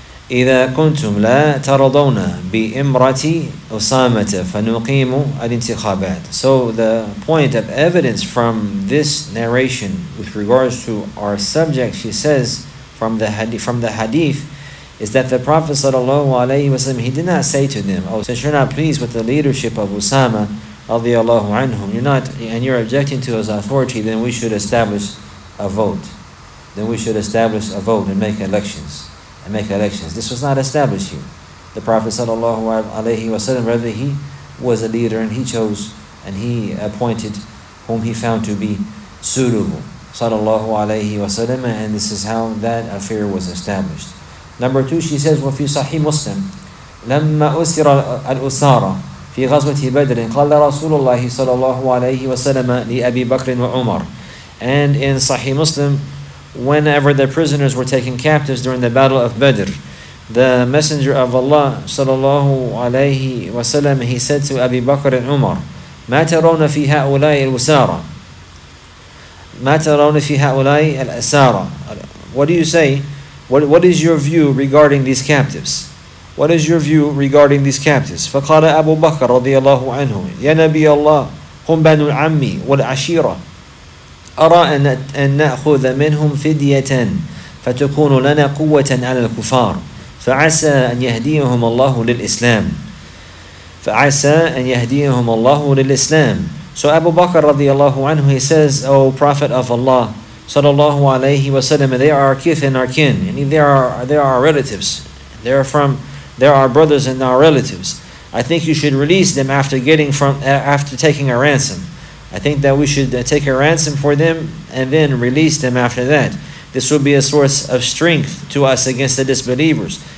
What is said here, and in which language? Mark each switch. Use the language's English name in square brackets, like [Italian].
[Arabic] إذا كنتم لا ترضون بامرأتي أسامة فنقيم الانتخابات. [English] So the point of evidence from this narration with regards to our subject, she says from the hadith. Is that the Prophet sallallahu alaihi wasallam, he did not say to them, oh, since you're not pleased with the leadership of Usama radiallahu anhum, you're objecting to his authority, then we should establish a vote. Then we should establish a vote and make elections. This was not established here. The Prophet sallallahu alaihi wasallam, rather, he was a leader and he chose and he appointed whom he found to be suitable sallallahu alaihi wasallam, and this is how that affair was established. Number two, she says, [Arabic] وَفِي صَحِيْهِ مُسْلِمٍ لَمَّا أُسِرَ الْأُسَارَ فِي غَزْوَةِ بَدْرٍ قَالَ رَسُولُ اللَّهِ صَلَى اللَّهُ عَلَيْهِ وَسَلَمَ لِأَبِي بَكْرٍ وَعُمَرٍ. [English] And in Sahih Muslim, whenever the prisoners were taken captives during the Battle of Badr, the Messenger of Allah [Arabic] صلى الله عليه وسلم, [English] he said to Abi Bakr and Umar, [Arabic] مَا تَرَوْنَ فِي هَؤُلَاءِ الْأُسَارَ [English] مَا تَرَوْنَ فِي هَؤُلَاءِ الْأُسَارَ. What do you say? What is your view regarding these captives? What is your view regarding these captives? [Arabic] فَقَالَ أَبُو بَكَرَ رَضِيَ اللَّهُ عَنْهُ يَا نَبِيَ اللَّهُ هُمْ بَنُ الْعَمِّ وَالْعَشِيرَةِ أَرَى أَنْ نَأْخُذَ مِنْهُمْ فِدْيَةً فَتَكُونُ لَنَا قُوَّةً عَلَى الْكُفَارِ فَعَسَى أَنْ يَهْدِيَهُمَ اللَّهُ لِلْإِسْلَامِ فَعَسَى أَنْ يَهْدِيَهُمَ اللَّهُ لِلْإِسْلَامِ. [English] So Abu Bakr رَضِيَ اللَّهُ عَنْهُ, he says, O Prophet of Allah sallallahu alayhi wa sallam, they are our kith and our kin. They are our relatives. They are our brothers and our relatives. I think you should release them after taking a ransom. I think that we should take a ransom for them and then release them after that. This will be a source of strength to us against the disbelievers.